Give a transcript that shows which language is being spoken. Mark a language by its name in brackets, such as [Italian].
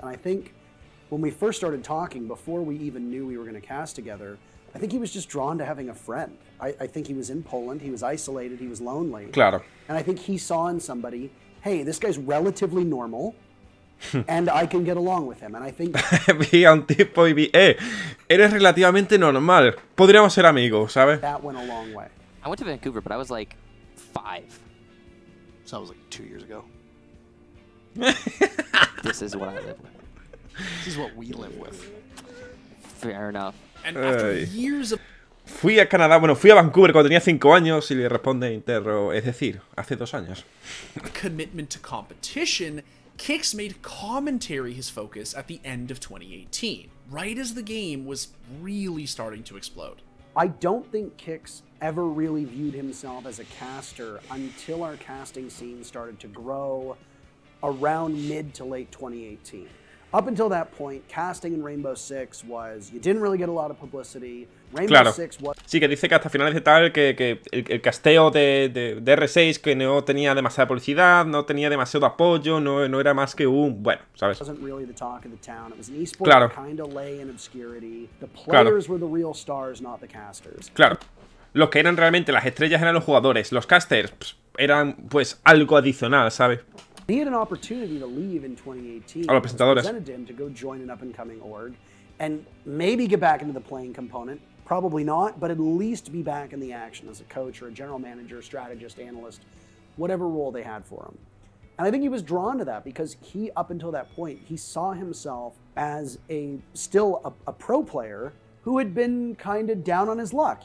[English] And I think when we first started talking, before we even knew we were going to cast together, I think he was just drawn to having a friend. I think he was in Poland, he was isolated, he was lonely. [Spanish] Claro. [English] And I think he saw in somebody, hey, this guy's relatively normal, and I can get along with him. And I think... [Spanish] vi a un tipo y vi, eres relativamente normal, podríamos ser amigos, ¿sabes? [English] That went a long way. I went to Vancouver, but I was like 5. So that was like 2 years ago. This is what I live with. This is what we live with. Fair enough. And after years of... [Spanish] Fui a Canadá, bueno, fui a Vancouver cuando tenía 5 años y le responde Interro, es decir, hace 2 años. [English] Commitment to competition, Kix made commentary his focus at the end of 2018, right as the game was really starting to explode. I don't think Kix ever really viewed himself as a caster until our casting scene started to grow around mid to late 2018. Up until that point, casting in Rainbow Six was, you didn't really get a lot of publicity. Rainbow [Spanish] claro. [English] Six was... [Spanish] Sí, que dice que hasta finales de tal, que el casteo de R6, que no tenía demasiada publicidad, no tenía demasiado apoyo, no era más que un... Bueno, ¿sabes? [English] Wasn't really the talk of the town. It was an esport [Spanish] claro. [English] that kind of lay in obscurity. The players [Spanish] claro. [English] were the real stars, not the casters. [Spanish] Claro. Los que eran realmente las estrellas eran los jugadores. Los casters pues, eran, pues, algo adicional, ¿sabes? [English] He had an opportunity to leave in 2018 and presented him to go join an up-and-coming org and maybe get back into the playing component. Probably not, but at least be back in the action as a coach or a general manager, strategist, analyst, whatever role they had for him. And I think he was drawn to that because he, up until that point, he saw himself as still a pro player who had been kind of down on his luck.